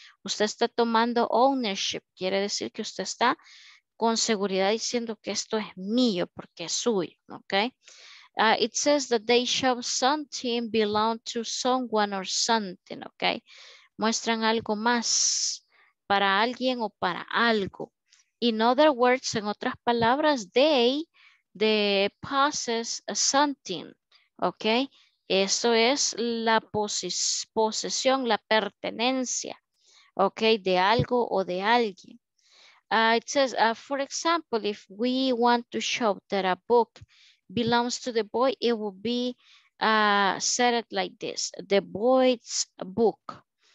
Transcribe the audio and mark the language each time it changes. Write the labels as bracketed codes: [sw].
[es] Usted está tomando ownership, quiere decir que usted está con seguridad diciendo que esto es mío porque es suyo, ok. [en] It says that they show something belong to someone or something, ok. [es] Muestran algo más para alguien o para algo. [en] In other words, [es] en otras palabras, [en] they possess something, ok. [es] Eso es la posesión, la pertenencia, ok, de algo o de alguien. [en] It says, for example, if we want to show that a book belongs to the boy, it will be said it like this, the boy's book.